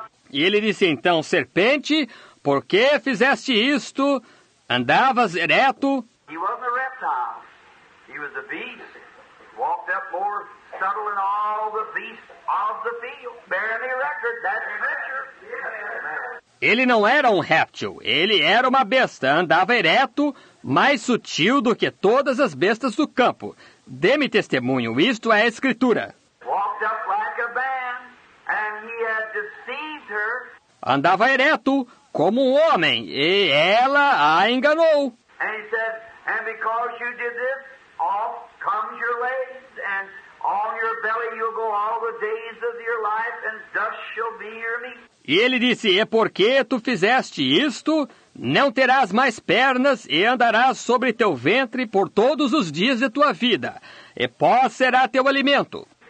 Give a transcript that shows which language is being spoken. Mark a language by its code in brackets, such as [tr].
[pt] E ele disse então, serpente, porque fizeste isto, andavas ereto. [en] He wasn't a reptile. He was a beast. Walked up more subtle than all the beasts of the field. Bear me record, that's scripture. [pt] Ele não era um réptil, ele era uma besta, andava ereto, mais sutil do que todas as bestas do campo. Dê-me testemunho, isto é a Escritura. [en] Walked up like a man, and he had deceived her. [pt] Andava ereto, como um homem, e ela a enganou. [en] And he said, and because you did this, off comes your legs, and on your belly you'll go all the days of your life, and dust shall be your meat. [pt] E ele disse, e porque tu fizeste isto, não terás mais pernas e andarás sobre teu ventre por todos os dias de tua vida. E pó será teu alimento.